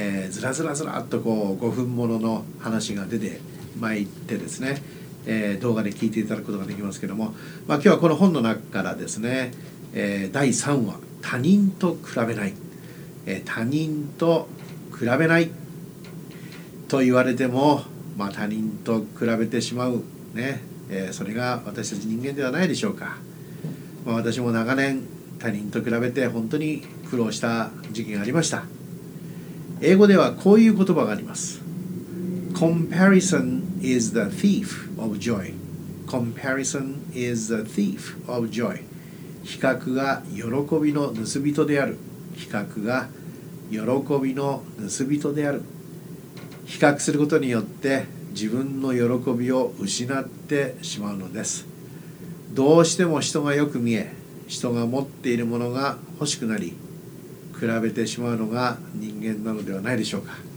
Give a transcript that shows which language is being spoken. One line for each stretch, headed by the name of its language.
Japanese: ずらずらずらっとこう5分ものの話が出てまいってですね、動画で聞いていただくことができますけども、今日はこの本の中からですね、第3話他人と比べない、他人と比べないと言われても、他人と比べてしまうね、それが私たち人間ではないでしょうか。私も長年他人と比べて本当に苦労した時期がありました。英語ではこういう言葉があります。
English: Comparison is the thief of joy. Comparison is the thief of joy.
Japanese: 比較が喜びの盗人である。比較が喜びの盗人である。比較することによって自分の喜びを失ってしまうのです。どうしても人がよく見え、人が持っているものが欲しくなり、比べてしまうのが人間なのではないでしょうか。